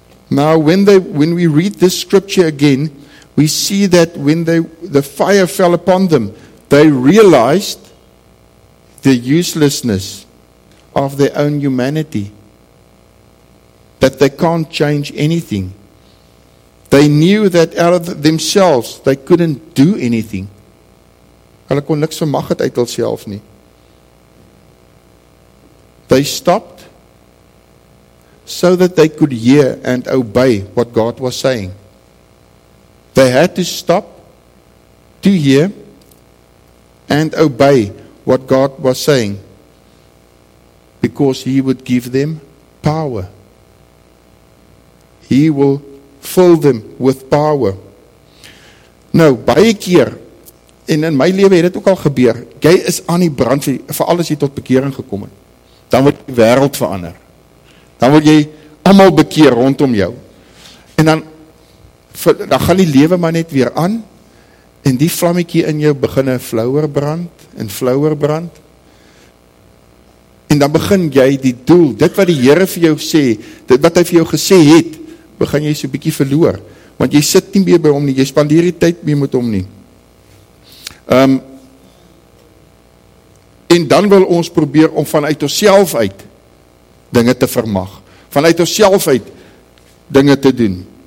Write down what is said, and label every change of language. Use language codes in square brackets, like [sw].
[en] Now, when we read this scripture again, we see that when the fire fell upon them, they realized the uselessness of their own humanity, that they can't change anything. They knew that out of themselves they couldn't do anything. [af] Hulle kon niks vermag het uit hulself nie. [en] They stopped so that they could hear and obey what God was saying. They had to stop to hear and obey what God was saying, because He would give them power. He will fill them with power. [af] Nou, baie keer, en in my lewe het dit ook al gebeur, jy is aan die brand, vir alles jy tot bekering gekom het, dan word die wêreld verander. Dan word jy allemaal bekeer rondom jou. En dan gaan die lewe maar net weer aan, en die vlammetjie in jou beginne flouer brand, en flouer brand, en dan begin jy die doel, dit wat die Here vir jou sê, dit wat hy vir jou gesê het, begin jy so bietjie verloor, want jy sit nie meer by hom nie, jy spandeer die tyd meer met hom nie. En dan wil ons probeer om vanuit onsself uit dinge te vermag, vanuit onsself uit dinge te doen.